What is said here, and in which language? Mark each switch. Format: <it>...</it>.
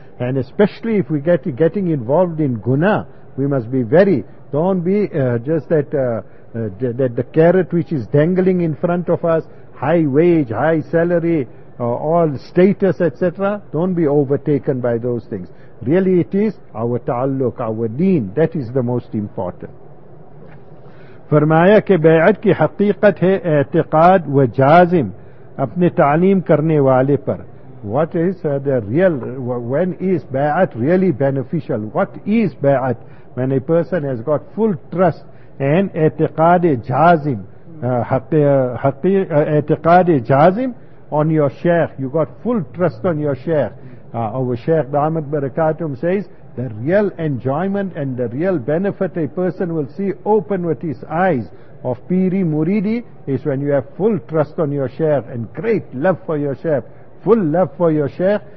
<en>And especially if we get getting involved in guna, we must be very, don't be just that, that the carrot which is dangling in front of us, high wage, high salary, all status, etc. Don't be overtaken by those things. Really it is our ta'alluq, our deen, that is the most important.</en> <ur>فرمایا کہ بیعت کی حقیقت ہے اعتقاد و جازم اپنے تعلیم کرنے والے پر.</ur> <en>What is the real, when is bayat really beneficial? What is bayat? When a person has got full trust and اعتقاد جازم اعتقاد جازم on your sheikh. You got full trust on your sheikh. Our Shaykh Damat Barakatum says, the real enjoyment and the real benefit a person will see open with his eyes of Piri Muridi is when you have full trust on your Shaykh and great love for your Shaykh, full love for your Shaykh.</en>